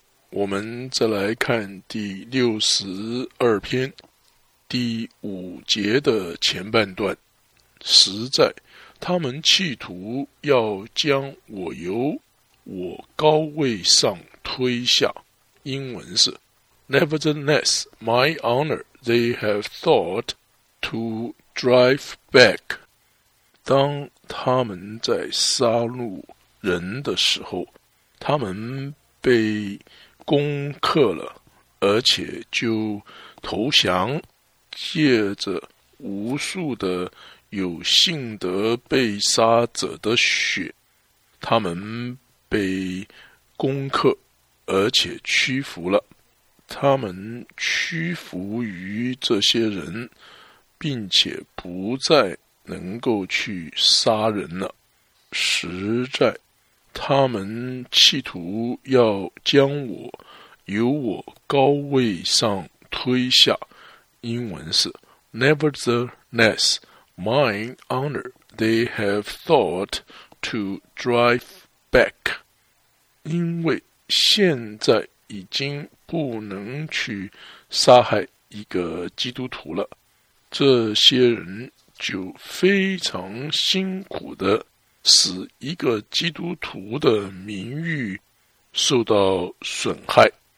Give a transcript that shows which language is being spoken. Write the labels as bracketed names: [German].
[Chinese] 我们再来看第62篇第5节的前半段，实在他们企图要将我由我高位上推下。英文是 [English] Nevertheless, my honor they have thought to drive back。 [Chinese] 当他们在杀戮人的时候，他们被攻克了，而且就投降，借着无数的有幸得被杀者的血，他们被攻克而且屈服了。他们屈服于这些人，并且不再能够去杀人了。实在他们企图要将我由我高位上推下。英文是 [English] Nevertheless, my honor they have thought to drive back。 [Chinese] 因为现在已经不能去杀害一个基督徒了，这些人就非常辛苦地使一个基督徒的名誉受到损害。